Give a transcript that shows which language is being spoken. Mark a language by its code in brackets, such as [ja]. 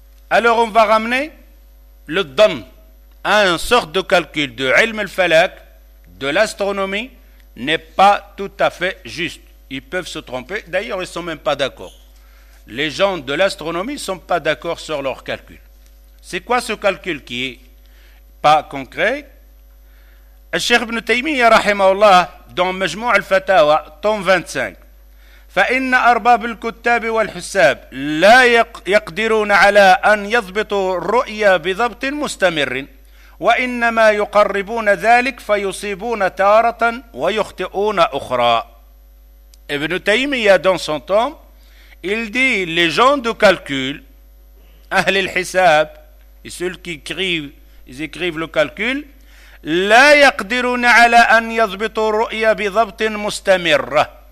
[fr] Alors on va ramener le dhan à une sorte de calcul de ilm al-falak, de l'astronomie, n'est pas tout à fait juste. Ils peuvent se tromper, d'ailleurs ils ne sont même pas d'accord. Les gens de l'astronomie ne sont pas d'accord sur leur calcul. C'est quoi ce calcul qui n'est pas concret ? [ar] الشيخ ابن تيمية رحمه الله دون مجموع الفتاوى طوم 25 فإن أرباب الكتاب والحساب لا يقدرون على أن يضبطوا الرؤيا بضبط مستمر وإنما يقربون ذلك فيصيبون تارة ويخطئون أخرى. ابن تيمية دون [fr] son طوم il dit les gens de calcul [ar] أهل الحساب [fr] et ceux qui écrivent, ils écrivent le calcul [ar] لا يقدرون على أن يضبطوا الرؤية بضبط مستمر.